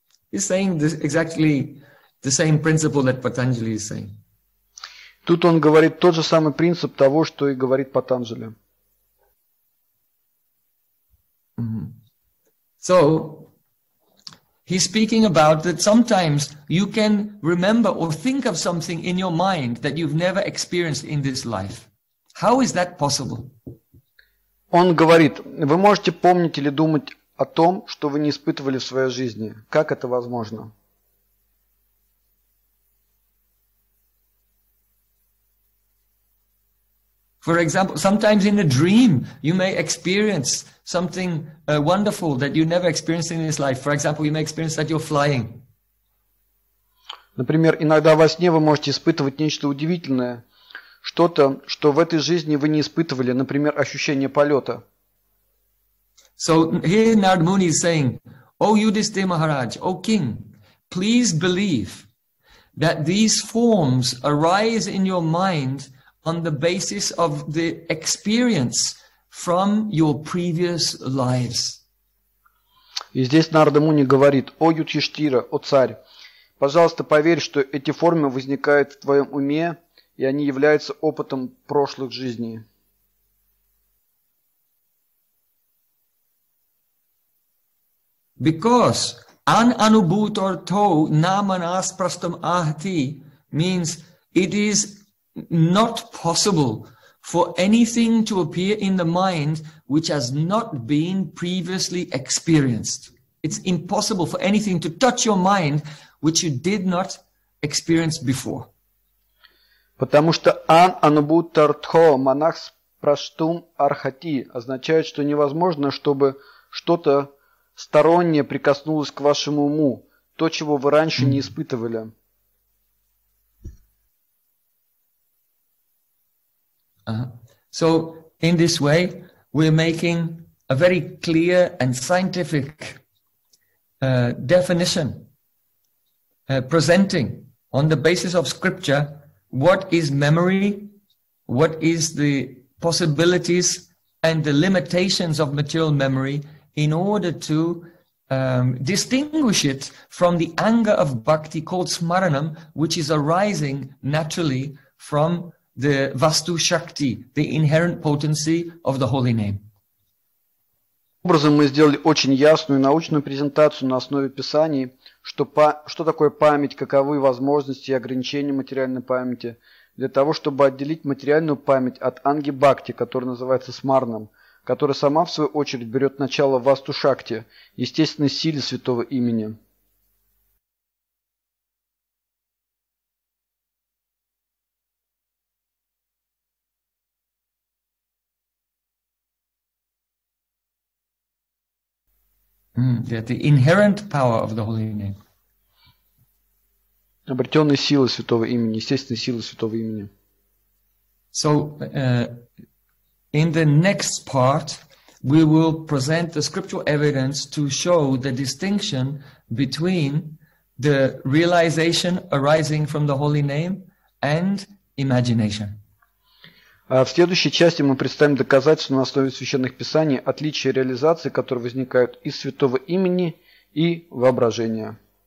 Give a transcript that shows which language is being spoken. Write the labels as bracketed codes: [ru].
[en] He's saying this, exactly the same principle that Patanjali is saying. [ru] Тут он говорит тот же самый принцип того, что и говорит Патанджали. [en] So he's speaking about that sometimes you can remember or think of something in your mind that you've never experienced in this life. How is that possible? [ru] Он говорит, вы можете помнить или думать о том, что вы не испытывали в своей жизни. Как это возможно? [en] For example, sometimes in a dream you may experience something wonderful that you never experienced in this life. For example, you may experience that you're flying. [ru] Например, иногда во сне вы можете испытывать нечто удивительное, что-то, что в этой жизни вы не испытывали, например, ощущение полета. [en] So here Narad Muni is saying, O Yudhisthira Maharaj, O King, please believe that these forms arise in your mind on the basis of the experience from your previous lives. [ru] И здесь Нарада Муни говорит, о Юдхиштира, о царь, пожалуйста, поверь, что эти формы возникают в твоем уме, и они являются опытом прошлых жизней. [en] Because [sa] an anubhutor to namanas prastam ahti [en] means it is not possible for anything to appear in the mind which has not been previously experienced. It's impossible for anything to touch your mind which you did not experience before. [ru] Потому что [sa] ан анубутартхо манахс праштум архати [ru] означает, что невозможно, чтобы что-то стороннее прикоснулось к вашему уму, то, чего вы раньше не испытывали. [en] So in this way, we're making a very clear and scientific definition, presenting on the basis of scripture, what is memory, what is the possibilities and the limitations of material memory in order to distinguish it from the anger of bhakti called smaranam, which is arising naturally from the vastu shakti, the inherent potency of the holy name. [ru] Образом мы сделали очень ясную научную презентацию на основе писаний, что такое память, каковы возможности и ограничения материальной памяти, для того, чтобы отделить материальную память от анги-бхакти, которая называется смарном, которая сама, в свою очередь, берет начало в васту-шакти, естественной силе святого имени. [en] The inherent power of the holy name. [ru] Обретенные силы святого имени, естественные силы святого имени. [en] So, in the next part, we will present the scriptural evidence to show the distinction between the realization arising from the holy name and imagination. [ru] В следующей части мы представим доказательства на основе священных писаний отличия реализации, которые возникают из святого имени и воображения.